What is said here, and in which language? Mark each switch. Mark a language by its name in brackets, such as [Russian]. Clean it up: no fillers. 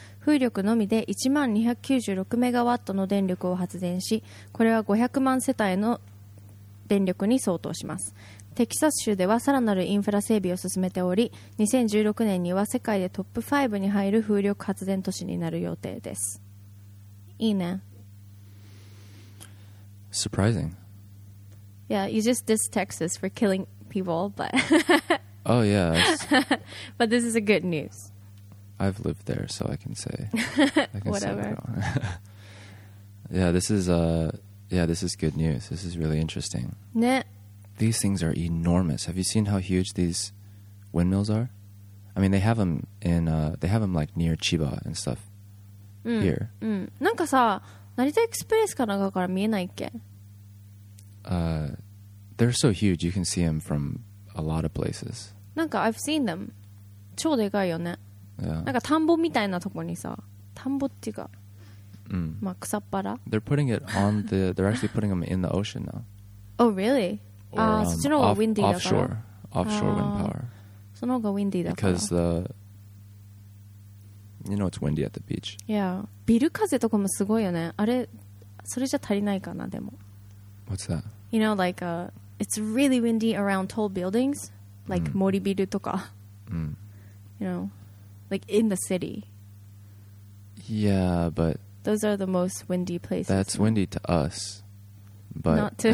[Japanese] 風力のみで1万296メガワットの電力を発電し、これは500万世帯の電力に相当します。テキサス州ではさらなるインフラ整備を進めており、2016年には世界でトップ5に入る風力発電都市になる予定です。いいね。 [English] Surprising. Yeah, you just dissed Texas for killing people, but... oh, yeah. but this is a good news. I've lived there, so I can say... I can Whatever. Say that. this is good news. This is really interesting. These things are enormous. Have you seen how huge these windmills are? I mean, they have them in... they have them, like, near Chiba and stuff here. [Japanese] なんかさ成田エクスプレスかなんかから見えないっけ [English] They're so huge, you can see them from a lot of places. [Japanese] なんか [English] I've seen them. [Japanese] 超でかいよね。 [English] Yeah. [Japanese] なんか田んぼみたいなとこにさ、田んぼっていうか、まあ草っぱら。 [English] They're putting it on the, they're actually putting them in the ocean now. Oh, really? Or, [Japanese] そっちの方がウィンディーだから。 [English] Offshore. Offshore wind power. [Japanese] その方がウィンディーだから。 [English] Because the... You know it's windy at the beach. Yeah. [Japanese] ビル風とかもすごいよね。あれ、それじゃ足りないかな、でも。 [English] What's that? You know, like, it's really windy around tall buildings, like Mori [Japanese] ビルとか。 [English] You know, like in the city. Yeah, but... Those are the most windy places. That's windy to us, but...